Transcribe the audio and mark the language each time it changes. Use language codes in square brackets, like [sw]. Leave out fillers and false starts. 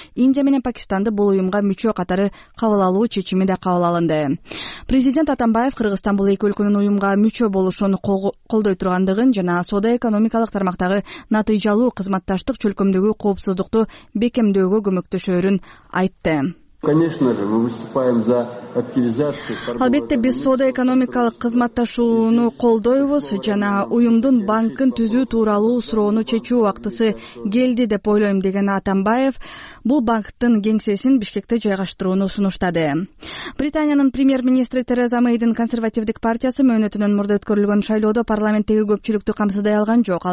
[ky] Индия менен Пакистанды бул уюмга мүчө катары кабыл алуу чечими да кабыл алынды. Президент Атамбаев Кыргызстан бул эки өлкөнүн уюмга мүчө болушун колдой тургандыгын жана соода экономикалык тармактагы натыйжалуу кызматташтык чөлкөмдөгү коопсуздукту бекемдөөгө көмөктөшөрүн айтты. [ru] Конечно же, мы выступаем за активизацию. [ky] Албетте, биз соода экономикалык кызматташууну колдойбуз жана уюмдун банкын түзүү тууралуу суроону чечүү убактысы келди деп ойлойм, деген Атамбаев бул банктын кеңсесин Бишкекте жайгаштырууну сунуштады. Британиянын премьер-министри Тереза Мэйдин консервативдик партиясы мөөнөтүнөн мурда өткөрүлгөн шайлоодо парламенттеги көпчүлүктү камсыздай алган жок.